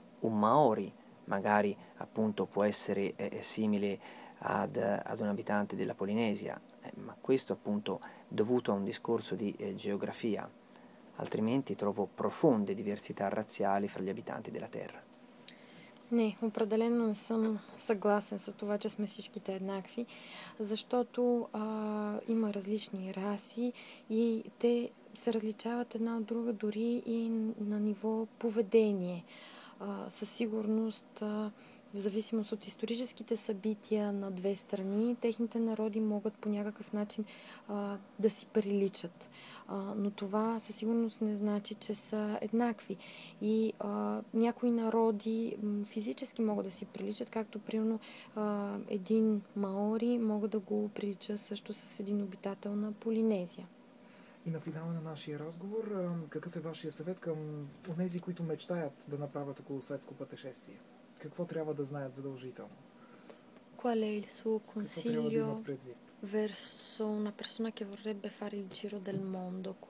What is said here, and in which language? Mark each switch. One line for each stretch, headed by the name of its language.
Italian: Un Maori, magari, appunto, può essere simile ad un abitante della Polinesia, ma questo appunto dovuto a un discorso di geografia, altrimenti trovo profonde diversità razziali fra gli abitanti della terra.
Bulgarian: Не, определено не съм съгласен с това, че сме всичките еднакви, защото има различни раси и те се различават една от друга дори и на ниво поведение. Със сигурност в зависимост от историческите събития на две страни, техните народи могат по някакъв начин да си приличат. Но това със сигурност не значи, че са еднакви. И някои народи физически могат да си приличат, както примерно един маори могат да го прилича също с един обитател на Полинезия. И на финала на нашия разговор, какъв е вашия съвет към онези, които мечтаят да направят околосветско пътешествие? Какво трябва да знаят задължително?
Italian: Qual è il suo consiglio verso una persona che vorrebbe fare il giro del mondo?